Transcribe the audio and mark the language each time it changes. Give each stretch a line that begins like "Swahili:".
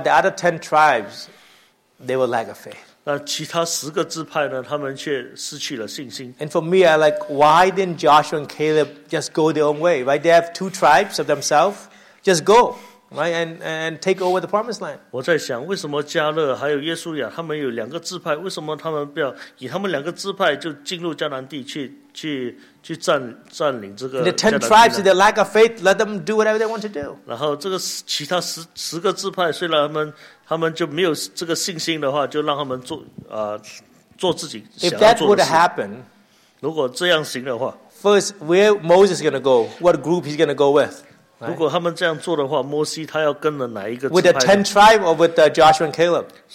English: the other 10 tribes, they were lack of faith.
Chinese: 那其他十个支派呢？他们却失去了信心。
English: And for me, I like, why didn't Joshua and Caleb just go their own way? Right? They have two tribes of themselves. Just go, right? And take over the promised land.
Chinese: 我在想，为什么加勒还有耶稣亚他们有两个支派，为什么他们不要以他们两个支派就进入迦南地去占领这个？
English: The 10 tribes, their lack of faith, let them do whatever they want to do.
Chinese: 然后这个其他十个支派，虽然他们 他们就没有这个信心的话，就让他们做自己想要做的事情。
English: If that would happen,
Chinese: 如果这样行的话,
English: first, where Moses is going to go? What group he's going to go with? Right? With the 10 tribes or with Joshua and Caleb?